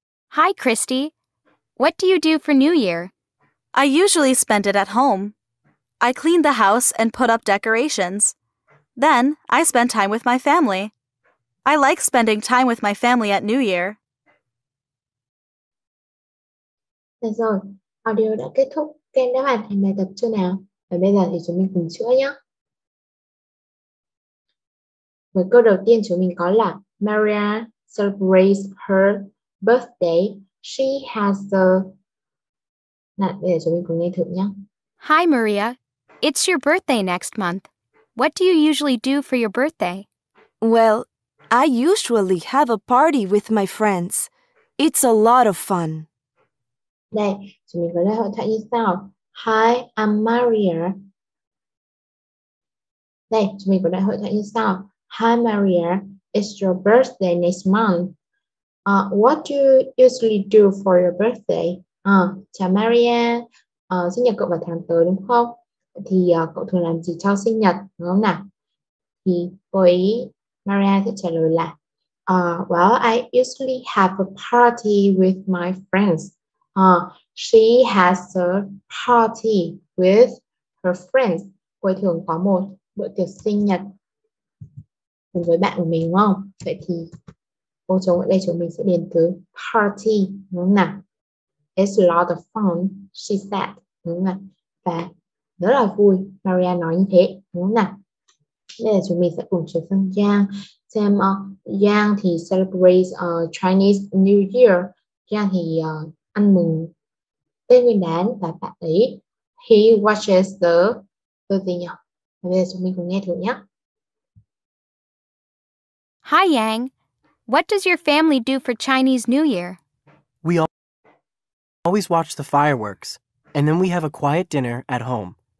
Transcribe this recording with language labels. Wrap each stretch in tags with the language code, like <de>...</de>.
<en>Hi Christy, what do you do for New Year? I usually spend it at home. I clean the house and put up decorations. Then, I spend time with my family. I like spending time with my family at New Year.</en> <vi>Được rồi, audio đã kết thúc. Các em đã hoàn thành bài tập chưa nào? Và bây giờ thì chúng mình cùng chữa nhé. Với câu đầu tiên chúng mình có là</vi> <en>Maria celebrates her birthday. She has a...</en> <vi>Nào, bây giờ chúng mình cùng nghe thử nhé.</vi> <en>Hi Maria, it's your birthday next month. What do you usually do for your birthday? Well, I usually have a party with my friends. It's a lot of fun.</en> <vi>Đây, chúng mình có lời hội thoại như sau.</vi> <en>Hi, I'm Maria.</en> <vi>Đây, chúng mình có lời hội thoại như sau.</vi> <en>Hi, Maria. It's your birthday next month. What do you usually do for your birthday?</en> <vi>Chào Maria. Sinh nhật cậu vào tháng tới đúng không? Thì cậu thường làm gì cho sinh nhật đúng không nào? Thì cô ấy Maria sẽ trả lời là</vi> <en>well, I usually have a party with my friends. She has a party with her friends.</en> <vi>Cô ấy thường có một bữa tiệc sinh nhật cùng với bạn của mình đúng không? Vậy thì cô chống ở đây chúng mình sẽ điền từ party đúng không nào?</vi> <en>It's a lot of fun, she said,</en> <vi>đúng không nào? Và rất là vui, Maria nói như thế, đúng không nào? Bây giờ chúng mình sẽ cùng chuyển sang Giang. Xem Giang thì</vi> <en>celebrate Chinese New Year.</en> <vi>Giang thì ăn mừng Tết Nguyên Đán và bạn ấy.</vi> <en>He watches the...</en> <vi>Tôi gì nhỉ? Bây giờ chúng mình cùng nghe thử nhé.</vi> <en>Hi Yang, what does your family do for Chinese New Year? We always watch the fireworks. And then we have a quiet dinner at home.</en>